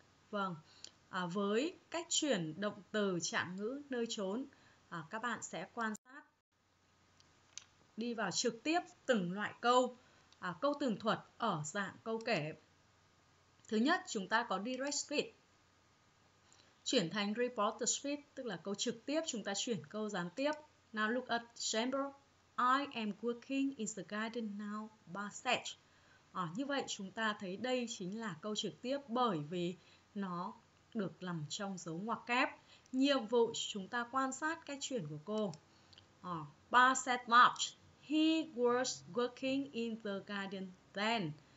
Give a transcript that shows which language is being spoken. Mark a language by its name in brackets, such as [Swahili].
[Vietnamese] Vâng, với cách chuyển động từ trạng ngữ nơi chốn, các bạn sẽ quan sát đi vào trực tiếp từng loại câu, câu tường thuật ở dạng câu kể. Thứ nhất, chúng ta có direct speech chuyển thành reported speech, tức là câu trực tiếp, chúng ta chuyển câu gián tiếp. [English] Now look at chamber. I am working in the garden now, Bassett. [Vietnamese] Như vậy chúng ta thấy đây chính là câu trực tiếp bởi vì nó được làm trong dấu ngoặc kép. Nhiệm vụ chúng ta quan sát cách chuyển của cô. Bassett March. [English] He was working in the garden then.